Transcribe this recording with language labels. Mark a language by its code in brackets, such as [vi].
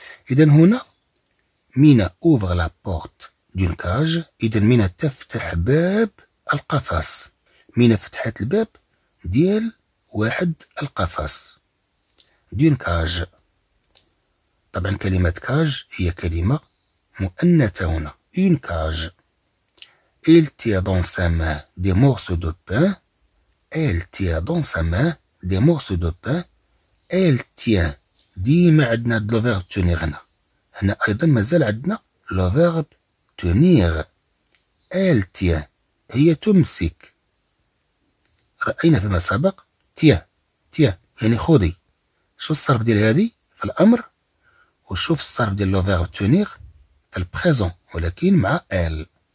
[ar] إذن هنا مينا [fr] ouvre la porte d'une cage، [ar] إذن مينا تفتح باب القفص، مينا فتحت الباب ديال واحد القفص [fr] d'une cage. [ar] طبعا كلمة كاج هي كلمة مؤنثة هنا [fr] une cage. Il tient dans sa main des morceaux de pain. Elle tient dans sa main des morceaux de pain. Elle tient. Dis-moi, [ar] عندنا [fr] le verbe tenir. [ar] هنا أيضا مازال عندنا [fr] le verbe tenir. Elle tient. [ar] هي تمسك. رأينا فيما سبق tient. Tient. يعني خذي. شوف الصرف ديال هذه في الأمر. وشوف الصرف ديال [fr] le verbe tenir [ar] في البريزون ولكن مع elle.